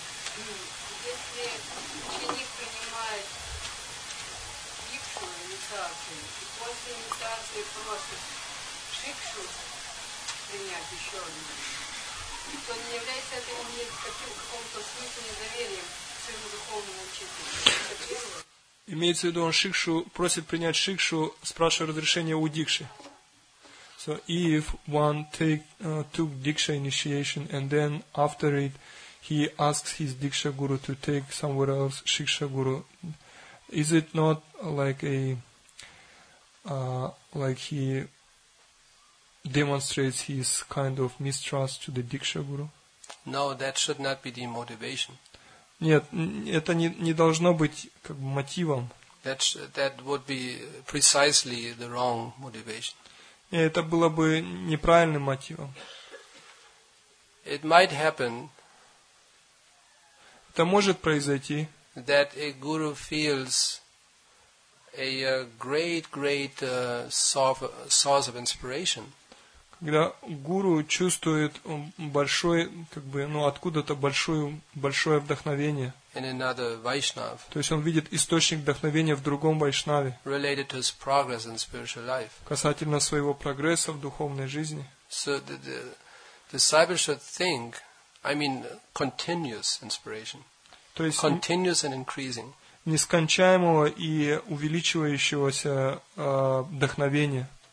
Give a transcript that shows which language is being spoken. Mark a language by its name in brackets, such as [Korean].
[Russian] Если ученик принимает дикшу, инициацию, и после инициации просит шикшу принять еще одну, то не является это ни в каком-то смысле недоверием к своему духовному учителю? Имеется в виду, он шикшу просит принять шикшу, спрашивая разрешение у дикши. [English] So if one took Diksha initiation and then after it he asks his Diksha Guru to take somewhere else Shiksha Guru, is it not like a like he demonstrates his kind of mistrust to the Diksha Guru? No, that should not be the motivation. [Russian] Нет, это не должно быть как бы мотивом. [English] That would be precisely the wrong motivation. [Russian] И это было бы неправильным мотивом. [English] It might happen, [Russian] это может произойти, [English] that a guru feels a great, great source of inspiration. [Russian] Когда гуру чувствует большой, как бы, ну, откуда-то большое вдохновение. [English] In another Vaishnav. [Russian] То есть он видит источник вдохновения в другом Вайшнаве. [English] Related to his progress in spiritual life. [Russian] Касательно своего прогресса в духовной жизни. [English] So the disciple should think, I mean, continuous inspiration. [Russian] То есть [English] continuous and increasing. [Russian] Нескончаемого и увеличивающегося вдохновения.